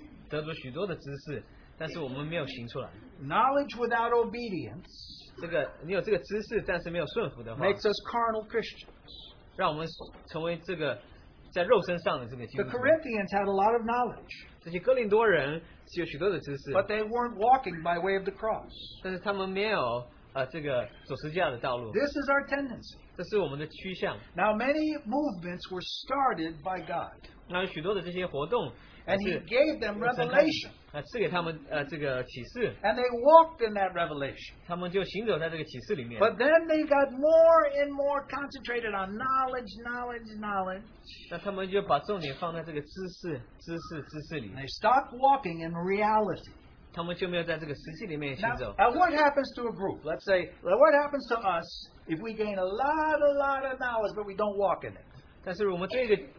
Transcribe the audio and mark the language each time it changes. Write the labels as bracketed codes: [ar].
[zh] 但是我们的脑海是喜欢就是得着许多的知识，但是我们没有行出来。 [en] Knowledge without obedience [zh] 这个你有这个知识，但是没有顺服的话， [en] makes us carnal Christians. [zh] 让我们成为这个 在肉身上的这个经历, [en] the Corinthians had a lot of knowledge. [zh] 这些哥林多人是有许多的知识, [en] but they weren't walking by way of the cross. [zh] 但是他们没有这个走十字架的道路。 [en] This is our tendency. [zh] 这是我们的趋向。 [en] Now many movements were started by God. [zh] 那有许多的这些活动, [en] and he gave them revelation. [zh] 赐给他们这个启示。 [en] And they walked in that revelation. [zh] 他们就行走在这个启示里面。 [en] But then they got more and more concentrated on knowledge. [zh] 那他们就把重点放在这个知识里。 [en] They stopped walking in reality. [zh] 他们就没有在这个实际里面行走。 [en] Now, what happens to a group? Let's say, what happens to us if we gain a lot of knowledge but we don't walk in it?